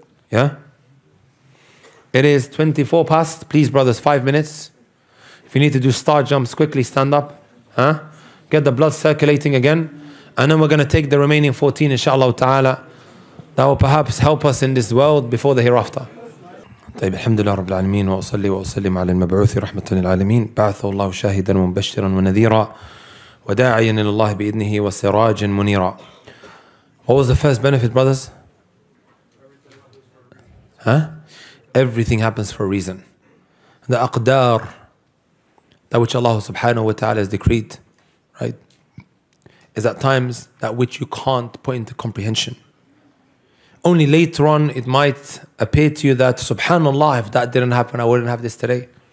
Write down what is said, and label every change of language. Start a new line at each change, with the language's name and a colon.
English: Yeah? It is 24 past. Please, brothers, 5 minutes. If you need to do star jumps quickly, stand up. Huh? Get the blood circulating again. And then we're going to take the remaining 14, inshallah ta'ala, that will perhaps help us in this world before the hereafter.
Arabic: طيب الحمد لله رب العالمين وأصلي وأسلم على المبعوث رحمة للعالمين بعثه الله شاهدا مبشرا ونذيرا وداعيا إلى الله بإذنه وسراجا منيرا.
English: What was the first benefit, brothers? Huh? Everything happens for a reason. The aqdar, that which Allah subhanahu wa ta'ala has decreed, right? Is at times that which you can't put into comprehension. Only later on it might appear to you that subhanallah, if that didn't happen, I wouldn't have this today.